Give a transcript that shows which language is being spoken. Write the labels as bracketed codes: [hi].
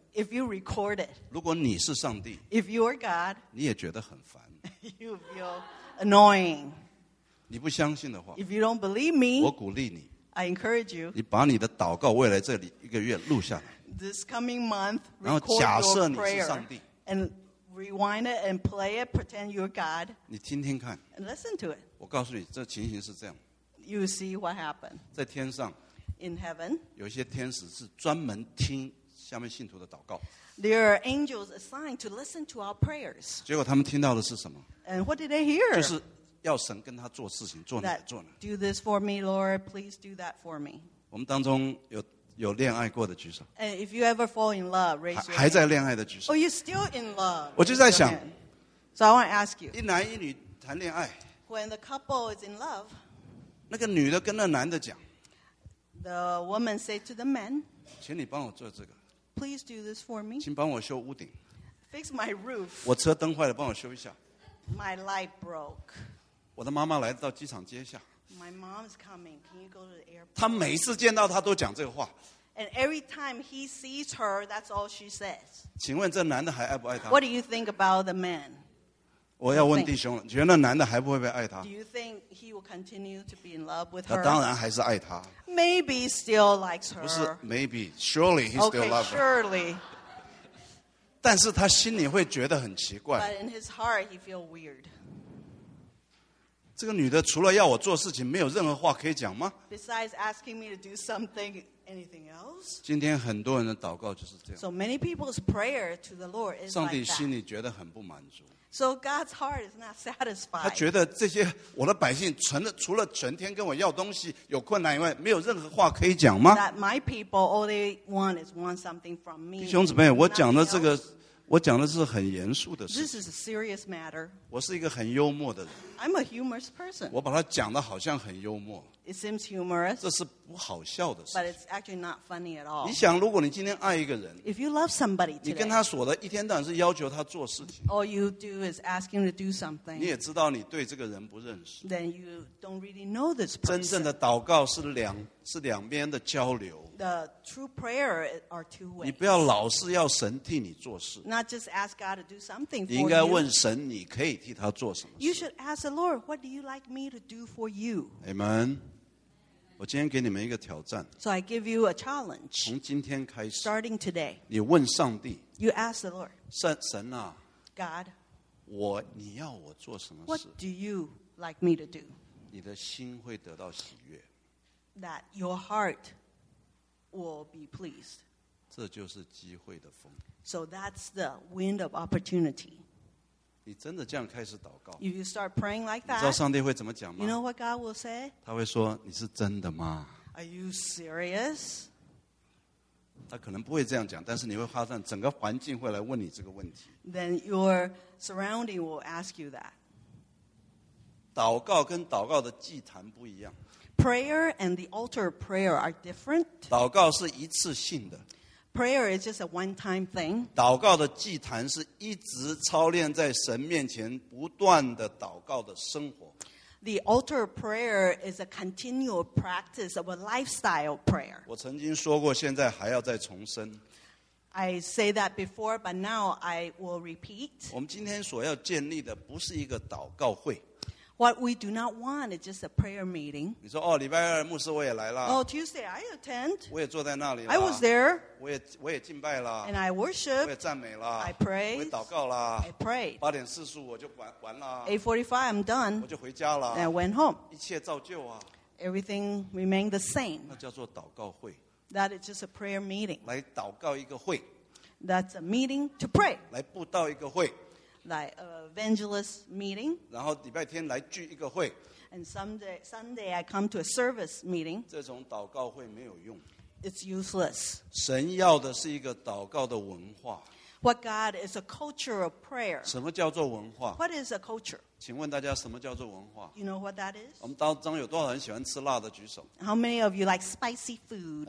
[en] if you record it [zh] 如果你是上帝 [en] if you are God [zh] 你也觉得很烦 [en] you feel annoying [zh] 你不相信的话 [en] If you don't believe me, [zh] 我鼓励你 [en] I encourage you, [zh] 你把你的祷告未来这里一个月录下来 [en] This coming month, [zh] 然后假设你是上帝 [en] and rewind it and play it, pretend you're God, [zh] 你听听看 [en] and listen to it. [zh] 我告诉你这情形是这样 [en] You see what happened. [zh] 在天上 [en] In heaven, [zh] 有些天使是专门听下面信徒的祷告 [en] There are angels assigned to listen to our prayers. [zh] 结果他们听到的是什么 [en] And what did they hear? [zh] 就是要神跟他做事情，做哪做哪。 [en] Do this for me, Lord. Please do that for me. [zh] 我们当中有恋爱过的举手。 [en] And if you ever fall in love, raise your hand. [zh] 还在恋爱的举手。 [en] Oh, you're still in love. [zh] 我就在想。 [en] So I want to ask you. [zh] 一男一女谈恋爱。 [en] When the couple is in love. [zh] 那个女的跟那男的讲。 [en] The woman said to the man. [zh] 请你帮我做这个。 [en] Please do this for me. [zh] 请帮我修屋顶。 [en] Fix my roof. [zh] 我车灯坏了，帮我修一下。 [en] My light broke. [zh] 我的妈妈来到机场接下。 [en] My mom is coming. Can you go to the airport? [zh] 他每一次见到她都讲这个话。 [en] And every time he sees her, that's all she says. [zh] 请问这男的还爱不爱她 [en] ？What do you think about the man? [zh] 我要问弟兄了，觉得那男的还不会不会爱她 [en] ？Do you think he will continue to be in love with her? [zh] 他当然还是爱她。 [en] Maybe still likes her. [zh] 不是 [en] ，maybe surely he still loves her. Okay, surely. [zh] 但是他心里会觉得很奇怪。 [en] But in his heart, he feel weird. [zh] 这个女的除了要我做事情，没有任何话可以讲吗 [en] ？Besides asking me to do something, anything else? [zh] 今天很多人的祷告就是这样。 [en] So many people's prayer to the Lord is like that. [zh] 上帝心里觉得很不满足。 [en] So God's heart is not satisfied. [zh] 他觉得这些我的百姓除了整天跟我要东西有困难以外，没有任何话可以讲吗 [en] ？That my people all they want is want something from me. [zh] 弟兄姊妹，我讲的这个，我讲的是很严肃的事。 [en] This is a serious matter. [zh] 我是一个很幽默的人。 [en] I'm a humorous person. [zh] 我把它讲得好像很幽默。 [en] It seems humorous. [zh] 这是不好笑的事。 [en] But it's actually not funny at all. [zh] 你想，如果你今天爱一个人 [en] ，If you love somebody today, [zh] 你跟他说的一天到晚是要求他做事情。 [en] All you do is ask him to do something. [zh] 你也知道你对这个人不认识。 [en] Then you don't really know this person. [zh] 真正的祷告是两边的交流。 [en] The true prayer are two ways. [zh] 你不要老是要神替你做事。 [en] Not just ask God to do something for you. [zh] 你应该问神，你可以替他做什么事。 [en] You should ask the Lord, what do you like me to do for you? Amen. [zh] 我今天给你们一个挑战。 [en] So I give you a challenge. [zh] 从今天开始。 [en] Starting today. [zh] 你问上帝。 [en] You ask the Lord. [zh] 神啊。 [en] God. [zh] 你要我做什么事 [en] ？What do you like me to do? [zh] 你的心会得到喜悦。 [en] That your heart. Will be pleased. [zh] 这就是机会的风。 [en] So that's the wind of opportunity. [zh] 你真的这样开始祷告？ [en] If you start praying like that, [zh] 你知道上帝会怎么讲吗？ [en] You know what God will say? [zh] 他会说，你是真的吗？ [en] Are you serious? [zh] 他可能不会这样讲，但是你会发现整个环境会来问你这个问题。 [en] Then your surrounding will ask you that. [zh] 祷告跟祷告的祭坛不一样。 [en] Prayer and the altar of prayer are different. [zh] 祷告是一次性的。 [en] Prayer is just a one-time thing. [zh] 祷告的祭坛是一直操练在神面前不断的祷告的生活。 [en] The altar of prayer is a continual practice of a lifestyle prayer. [zh] 我曾经说过，现在还要再重申。 [en] I say that before, but now I will repeat. [zh] 我们今天所要建立的不是一个祷告会。 [en] What we do not want is just a prayer meeting. [zh] 你说哦，礼拜二牧师我也来了。 [en] Oh, Tuesday I attend. [zh] 我也坐在那里了。 [en] I was there. [zh] 我也敬拜了。 [en] And I worship. [zh] 我也赞美了。 [en] I praise. [zh] 我也祷告了。 [en] I prayed. [zh] 8:45我就完了。 [en] 8:45 I'm done. [zh] 我就回家了。 [en] And I went home. [zh] 一切照旧啊。 [en] Everything remained the same. [zh] 那叫做祷告会。 [en] That is just a prayer meeting. [zh] 来祷告一个会。 [en] That's a meeting to pray. [zh] 来布道一个会。 [en] Like an evangelist meeting. [zh] 然后礼拜天来聚一个会。 [en] And Sunday I come to a service meeting. [zh] 这种祷告会没有用。 [en] It's useless. [zh] 神要的是一个祷告的文化。 [en] What God is a culture of prayer. [zh] 什么叫做文化？ [en] What is a culture? [zh] 请问大家什么叫做文化？ [en] You know what that is? [zh] 我们当中有多少人喜欢吃辣的举手？ [en] How many of you like spicy food?